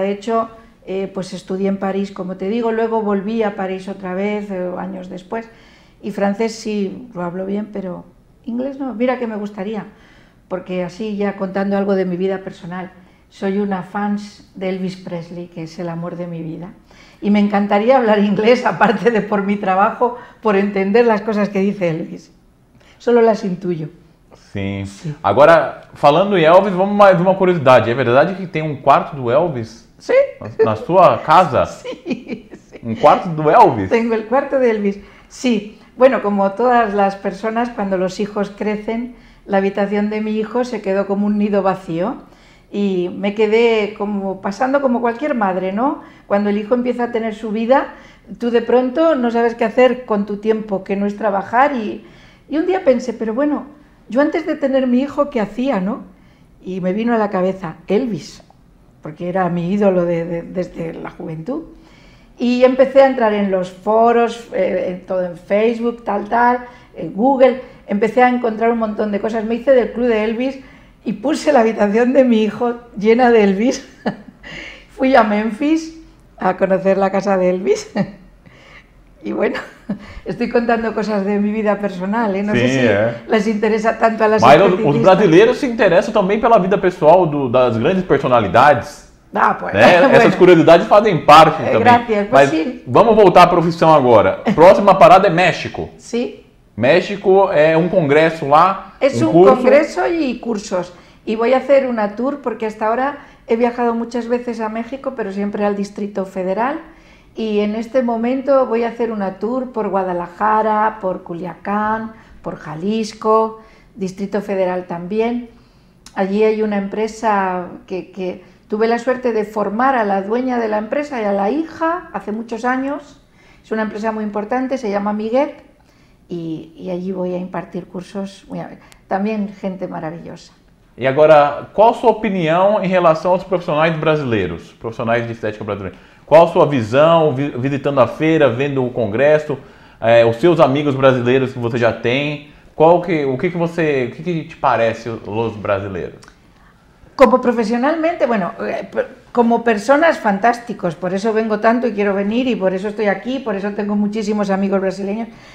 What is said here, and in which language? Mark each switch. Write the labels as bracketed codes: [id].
[es] De hecho, pues estudié en París, como te digo, luego volví a París otra vez, años después, y francés sí lo hablo bien, pero inglés no. Mira que me gustaría, porque así ya contando algo de mi vida personal, soy una fan de Elvis Presley, que es el amor de mi vida, y me encantaría hablar inglés, aparte de por mi trabajo, por entender las cosas que dice Elvis. Solo las intuyo. [pt] Sim. Sim. Agora, falando em Elvis, vamos mais uma curiosidade. É verdade que tem um quarto do Elvis? Sim. Na sua casa? Sim. Um quarto do Elvis? Tenho o quarto do Elvis. Sim. Bueno, como todas as pessoas, quando os filhos crescem, a habitação de meu filho se quedou como um nido vazio. E me quedei como passando como qualquer madre, não? Quando o filho empieza a ter sua vida, tu de pronto não sabes o que fazer com tu tempo, que não é trabalhar. E um dia pensei, mas bueno. [es] Yo antes de tener mi hijo, ¿qué hacía, no? Y me vino a la cabeza Elvis, porque era mi ídolo desde la juventud. Y empecé a entrar en los foros, todo en Facebook, tal, en Google. Empecé a encontrar un montón de cosas. Me hice del club de Elvis y puse la habitación de mi hijo llena de Elvis. Fui a Memphis a conocer la casa de Elvis. Y bueno, estoy contando cosas de mi vida personal, ¿eh? No sí, sé si les interesa tanto a las especialistas. Pero los brasileños se interesan también por la vida personal de las grandes personalidades. Ah, pues. [pt] Né? Bueno. Essas curiosidades fazem parte também. [es] Gracias, pues, [pt] mas [es] sí. [pt] Vamos voltar à profissão agora. Próxima parada é México. [es] Sí. [pt] México é um congresso lá. É um congresso e cursos. E vou fazer uma tour, porque hasta agora he viajado muitas vezes a México, mas sempre ao Distrito Federal. [es] Y en este momento voy a hacer una tour por Guadalajara, por Culiacán, por Jalisco, Distrito Federal también. Allí hay una empresa que tuve la suerte de formar a la dueña de la empresa y a la hija hace muchos años. Es una empresa muy importante, se llama Miguel, y allí voy a impartir cursos. También gente maravillosa. Y ahora, ¿cuál es su opinión en relación a los profesionales brasileños, profesionales de estética brasileña? [pt] Qual a sua visão, visitando a feira, vendo o congresso, os seus amigos brasileiros que você já tem? O que te parece os brasileiros? Como profissionalmente, bueno, como pessoas fantásticas, por isso vengo tanto e quero venir e por isso estou aqui, por isso tenho muchísimos amigos brasileiros.